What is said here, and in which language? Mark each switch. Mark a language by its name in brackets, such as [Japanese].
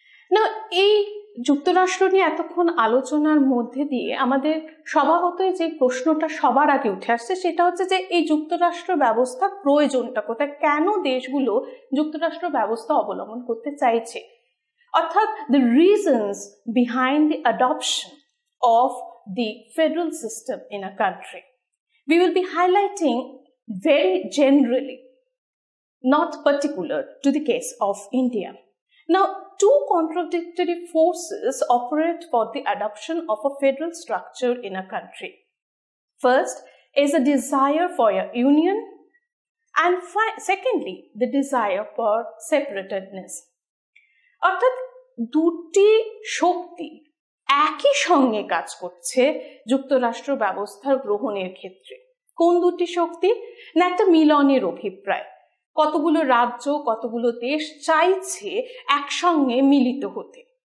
[Bangla] না, এই যুক্তরাষ্ট্র নিয়ে এতক্ষণ আলোচনার মধ্যে দিয়ে আমাদের স্বভাবতই যে প্রশ্নটা সবার আগে উঠে আসছে সেটা হচ্ছে যে এই যুক্তরাষ্ট্র ব্যবস্থার প্রয়োজনটা কোথায়, কেন দেশগুলো যুক্তরাষ্ট্র ব্যবস্থা অবলম্বন করতে চাইছে, অর্থাৎ [English] The reasons behind the adoption of the federal system in a country. We will be highlighting very generally, not particular to the case of India. Now, two contradictory forces operate for the adoption of a federal structure in a country. First is a desire for a union, and secondly the desire for separatedness. [Bangla] অর্থাৎ দুটি শক্তি একই সঙ্গে কাজ করছে যুক্তরাষ্ট্র ব্যবস্থার গ্রহণের ক্ষেত্রে। কোন দুটি শক্তি? না, একটা মিলনের অভিপ্রায়। কতগুলো রাজ্য, কতগুলো দেশ চাইছে একসঙ্গে মিলিত হতে।